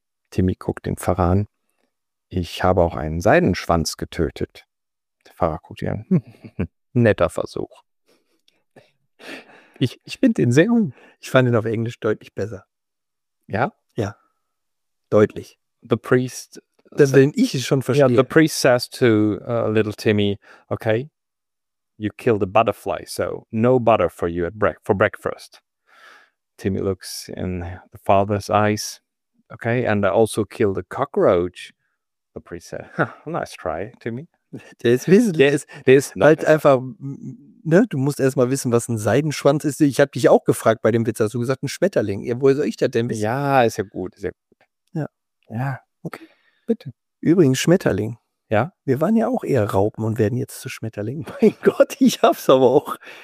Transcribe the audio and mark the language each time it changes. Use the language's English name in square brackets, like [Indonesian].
[German] Timmy guckt den Pfarrer an: Ich habe auch einen Seidenschwanz getötet. Der Pfarrer guckt ihn an: Netter Versuch. Ich finde den sehr gut. Ich fand ihn auf Englisch deutlich besser. Ja? Ja. Deutlich. [English] The priest... [German] Den ich schon verstehe. Ja, [English] the priest says to little Timmy, okay, you killed a butterfly, so no butter for you at breakfast. Timmy looks in the father's eyes. Okay, and I also killed a cockroach. The priest said, huh, nice try, Timmy. [German] Der ist wesentlich. Halt einfach, ne, du musst erstmal wissen, was ein Seidenschwanz ist. Ich habe dich auch gefragt bei dem Witz, hast du gesagt, ein Schmetterling. Ja, wo soll ich das denn wissen? Ja, ist ja gut, sehr gut. Ja. Ja, okay, bitte. Übrigens, Schmetterling. Ja? Wir waren ja auch eher Raupen und werden jetzt zu Schmetterlingen. Mein Gott, ich hab's aber auch.